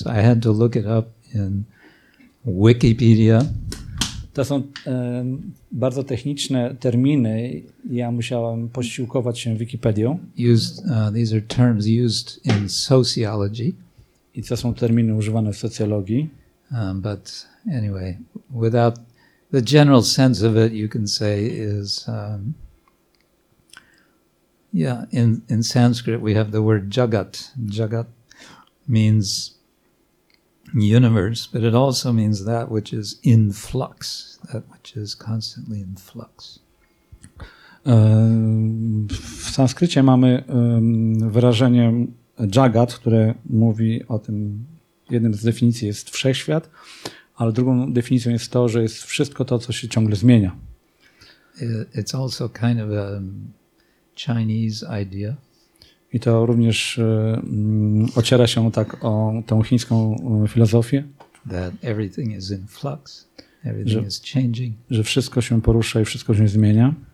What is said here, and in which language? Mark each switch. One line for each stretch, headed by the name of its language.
English: I had to look it up in Wikipedia.
Polish: To są bardzo techniczne terminy. Ja musiałem posiłkować się Wikipedią.
English: These are terms used in sociology.
Polish: I to są terminy używane w socjologii.
English: But anyway, without the general sense of it, you can say is. In Sanskrit we have the word jagat. Jagat means universe, but it also means that which is in flux, that which is constantly in flux.
Polish: W sanskrycie mamy wyrażenie jagat, które mówi o tym, jednym z definicji jest wszechświat, ale drugą definicją jest to, że jest wszystko to, co się ciągle zmienia.
English: It's also kind of a Chinese idea.
Polish: I to również ociera się tak o tą chińską filozofię.
English: That everything is in flux, everything is changing.
Polish: Że wszystko się porusza i wszystko się zmienia.